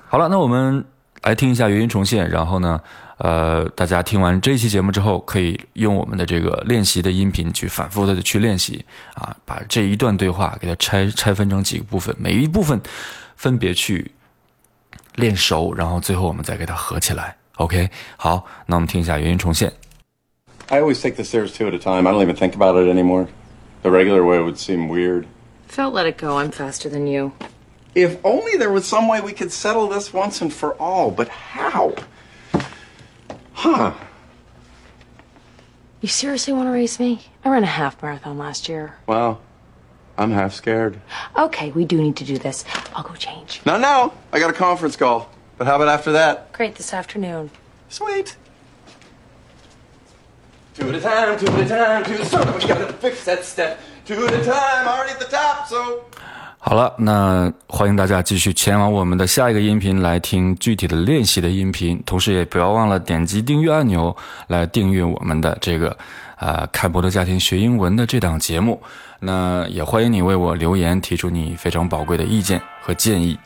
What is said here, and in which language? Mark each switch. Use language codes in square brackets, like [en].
[zh] 好了，那我们来听一下原音重现，然后呢大家听完这期节目之后可以用我们的这个练习的音频去反复的去练习啊，把这一段对话给它拆分成几个部分，每一部分分别去练熟，然后最后我们再给它合起来。 OK, 好，那我们听一下原音重现。 [en] I always take the stairs two at a time. I don't even think about it anymore. The regular way would seem weird. Felt let it go. I'm faster than you. If only there was some way we could settle this once and for all, but how? Huh. You seriously want to race me? I ran a half marathon last year. Well, I'm half scared. Okay, we do need to do this. I'll go change. Not now. I got a conference call. But how about after that? Great, this afternoon. Sweet. Two at a time, two at a time, two at a time. We gotta fix that step. Two at a time, already at the top, so... [zh] 好了，那欢迎大家继续前往我们的下一个音频来听具体的练习的音频，同时也不要忘了点击订阅按钮来订阅我们的这个凯博的家庭学英文的这档节目。那也欢迎你为我留言，提出你非常宝贵的意见和建议。